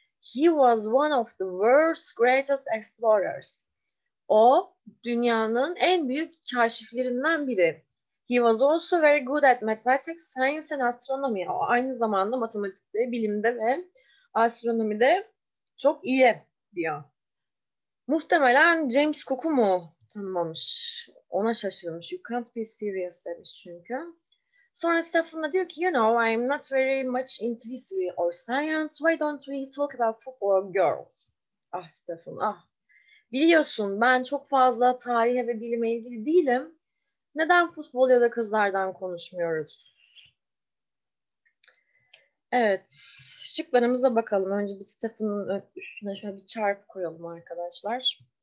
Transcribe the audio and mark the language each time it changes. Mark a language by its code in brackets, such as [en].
[en] He was one of the world's greatest explorers. [tr] O dünyanın en büyük kaşiflerinden biri. [en] He was also very good at mathematics, science and astronomy. [tr] O aynı zamanda matematikte, bilimde ve astronomide çok iyi diyor. Muhtemelen James Cook'u mu tanımamış? Ona şaşırmış. [en] You can't be serious [tr] demiş çünkü. Sonra Stefan'a diyor ki, [en] you know, I'm not very much into history or science. Why don't we talk about football girls? Ah Stefan, ah. [tr] Biliyorsun ben çok fazla tarihe ve bilime ilgili değilim. Neden futbol ya da kızlardan konuşmuyoruz? Evet, şıklarımıza bakalım. Önce bir Stefan'ın üstüne şöyle bir çarp koyalım arkadaşlar.